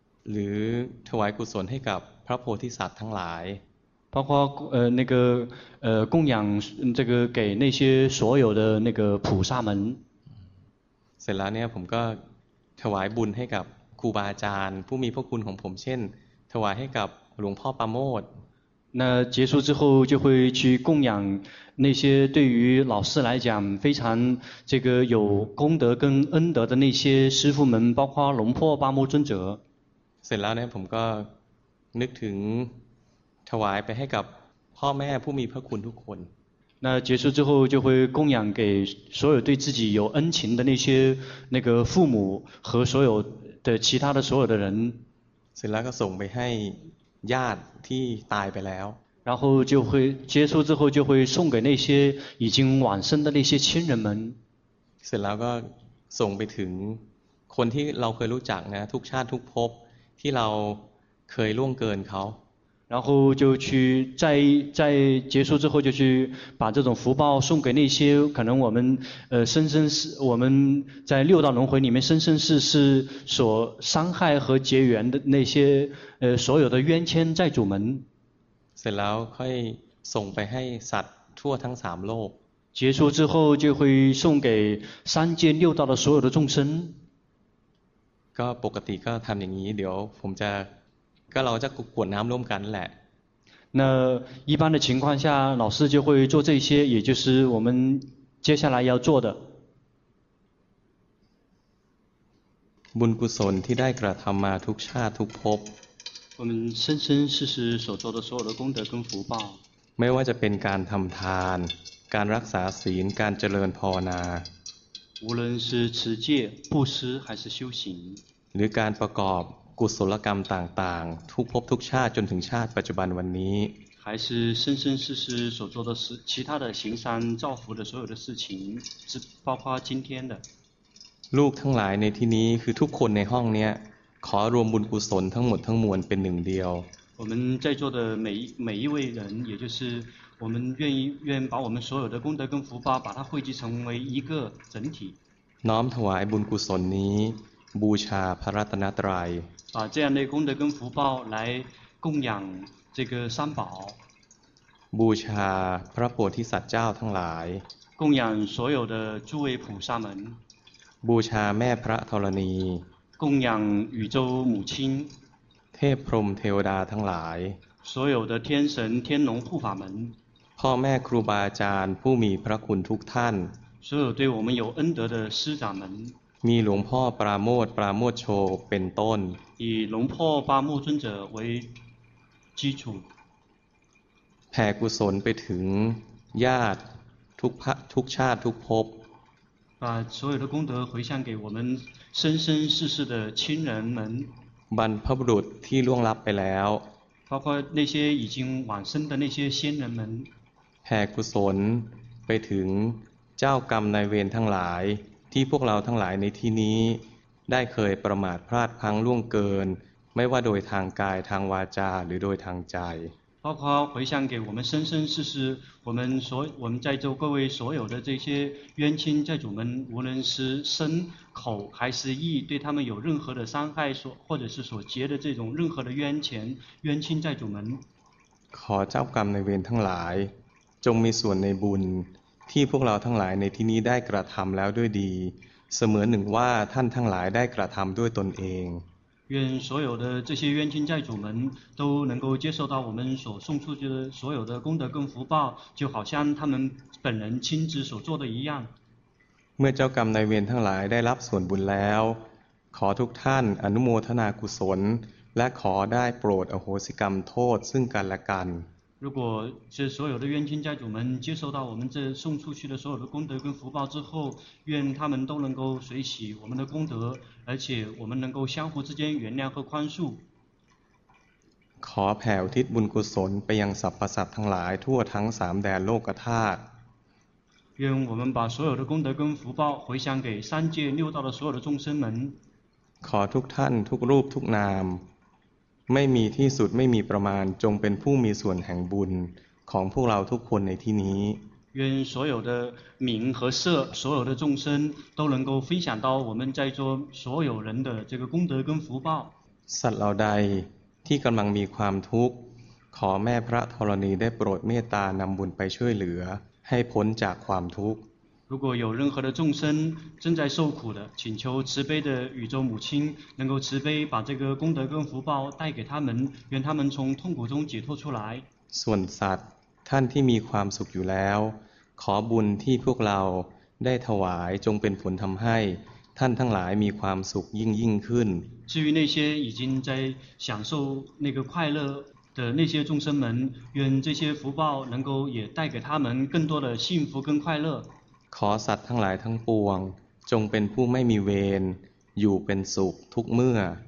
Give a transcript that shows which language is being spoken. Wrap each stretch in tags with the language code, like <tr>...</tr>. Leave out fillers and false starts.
<th>หรือถวายกุศลให้กับพระโพธิสัตว์ทั้งหลาย</th> <zh>包括那个供养这个给那些所有的那个菩萨们</zh> <th>เสร็จแล้วเนี่ยผมก็ถวายบุญให้กับครูบาอาจารย์ผู้มีพระคุณของผมเช่นถวายให้กับหลวงพ่อปาโมด</th> <zh>那结束之后就会去供养那些对于老师来讲非常这个有功德跟恩德的那些师父们包括หลวงพ่อปาโมด尊者</zh> <th>เสร็จแล้วเนี่ยผมก็นึกถึงถวายไปให้กับพ่อแม่ผู้มีพระคุณทุกคน</th> <zh>那结束之后就会供养给所有对自己有恩情的那些那个父母和所有的其他的所有的人</zh> <th>เสร็จแล้วก็ส่งไปให้ญาติที่ตายไปแล้ว</th> <zh>然后就会结束之后就会送给那些已经往生的那些亲人们</zh> <th>เสร็จแล้วก็ส่งไปถึงคนที่เราเคยรู้จักนะทุกชาติทุกภพที่เราเคยล่วงเกินเขา</th> <zh>然后就去在结束之后就去把这种福报送给那些可能我们生生世我们在六道轮回里面生生世世所伤害和结缘的那些所有的冤亲债主们</zh> <th>เสร็จแล้วค่อยส่งไปให้สัตว์ทั่วทั้งสามโลก</th> <zh>结束之后就会送给三界六道的所有的众生</zh> <th>ก็ปกติก็ทำอย่างนี้เดี๋ยวผมจะก็เราจะกวดน้ำร่วมกันแหละ</th> <zh>那一般的情况下老师就会做这些也就是我们接下来要做的</zh> <th>บุญกุศลที่ได้กระทำมาทุกชาติทุกภพ</th> <zh>我们生生世世所做的所有的功德跟福报</zh> <th>ไม่ว่าจะเป็นการทำทานการรักษาศีลการเจริญภาวนา</th> <zh>无论是持戒布施还是修行</zh> <th>หรือการประกอบกุศลกรรมต่างๆทุกภพทุกชาติจนถึงชาติปัจจุบันวันนี้</th> <zh>还是生生世世所做的事其他的行善造福的所有的事情是包括今天的</zh> <th>ลูกทั้งหลายในที่นี้คือทุกคนในห้องเนี้ยขอรวมบุญกุศลทั้งหมดทั้งมวลเป็นหนึ่งเดียว</th> <zh>我们在座的每一位人也就是我们愿把我们所有的功德跟福报把它汇集成为一个整体</zh> <th>น้อมถวายบุญกุศลนี้บูชาพระรัตนตรัย</th> <zh>把这样的功德跟福报来供养这个三宝</zh> <th>บูชาพระโพธิสัตว์เจ้าทั้งหลาย</th> <zh>供养所有的诸位菩萨们</zh> <th>บูชาแม่พระธรณี</th> <zh>供养宇宙母亲</zh> <th>เทพพรหมเทวดาทั้งหลาย</th> <zh>所有的天神天龙护法们</zh> <th>พ่อแม่ครูบาอาจารย์ผู้มีพระคุณทุกท่าน</th> <zh>所有对我们有恩德的师长们</zh> <th>มีหลวงพ่อปราโมทปราโมทโชเป็นต้น</th> <zh>以หลวงพ่อปราโมท尊者为基础</zh> <th>แผ่กุศลไปถึงญาติทุกชาติทุกภพ</th> <zh>把所有的功德回向给我们生生世世的亲人们，</zh> <th>บรรพบุรุษที่ล่วงลับไปแล้ว，</th> <zh>包括那些已经往生的那些先人们，</zh> <th>แผ่กุศลไปถึงเจ้ากรรมนายเวรทั้งหลายที่พวกเราทั้งหลายในที่นี้ได้เคยประมาทพลาดพลั้งล่วงเกินไม่ว่าโดยทางกายทางวาจาหรือโดยทางใจ</th> <zh>包括回向给我们生生世世我们在座各位所有的这些冤亲债主们无论是身口还是意对他们有任何的伤害所或者是所结的这种任何的冤钱冤亲债主们</zh> <th>ขอเจ้ากรรมในเวรทั้งหลายจงมีส่วนในบุญที่พวกเราทั้งหลายในที่นี้ได้กระทำแล้วด้วยดีเสมือนหนึ่งว่าท่านทั้งหลายได้กระทำด้วยตนเอง</th> <zh>愿所有的这些冤亲债主们都能够接受到我们所送出去的所有的功德跟福报，就好像他们本人亲自所做的一样。</zh> <th>เมื่อเจ้ากรรมนายเวรทั้งหลายได้รับส่วนบุญแล้ว ขอทุกท่านอนุโมทนากุศลและขอได้โปรดอโหสิกรรมโทษซึ่งกันและกัน</th> <zh>如果这所有的冤亲债主们接受到我们这送出去的所有的功德跟福报之后，愿他们都能够随喜我们的功德，而且我们能够相互之间原谅和宽恕。</zh> <th>ขอแผ่อุทิศบุญกุศลไปยังสรรพสัตว์ทั้งหลายทั่วทั้งสามแดนโลกธาตุ。</th> <zh>愿我们把所有的功德跟福报回向给三界六道的所有的众生们。</zh> <th>ขอทุกท่านทุกรูปทุกนามไม่มีที่สุดไม่มีประมาณจงเป็นผู้มีส่วนแห่งบุญของพวกเราทุกคนในที่นี้</th> <zh>愿所有的名和色所有的众生都能够分享到我们在座所有人的这个功德跟福报</zh> <th>สัตว์เหล่าใดที่กำลังมีความทุกข์ขอแม่พระธรณีได้โปรดเมตตานำบุญไปช่วยเหลือให้พ้นจากความทุกข์</th> <zh>如果有任何的众生正在受苦的，请求慈悲的宇宙母亲能够慈悲把这个功德跟福报带给他们，愿他们从痛苦中解脱出来。</zh> <th>ส่วนสัตว์ท่านที่มีความสุขอยู่แล้วขอบุญที่พวกเราได้ถวายจงเป็นผลทำให้ท่านทั้งหลายมีความสุขยิ่งขึ้น</th> <zh>至于那些已经在享受那个快乐的那些众生们，愿这些福报能够也带给他们更多的幸福跟快乐。</zh> <th>ขอสัตว์ทั้งหลายทั้งปวงจงเป็นผู้ไม่มีเวรอยู่เป็นสุขทุกเมื่อ</th>